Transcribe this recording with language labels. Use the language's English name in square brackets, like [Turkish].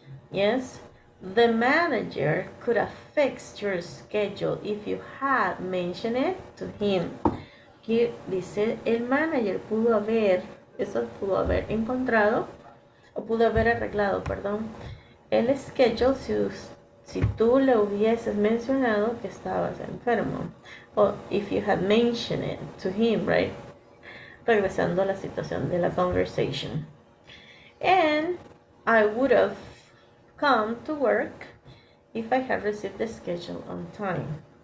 [English] Yes, the manager could have fixed your schedule if you had mentioned it to him. [Spanish] Aquí dice, el manager pudo haber, eso pudo haber encontrado, o pudo haber arreglado, perdón, el schedule, si tú le hubieses mencionado que estabas enfermo. [English] O if you had mentioned it to him, right? [Spanish] Regresando a la situación de la conversation. [English] And I would have come to work if I had received the schedule on time.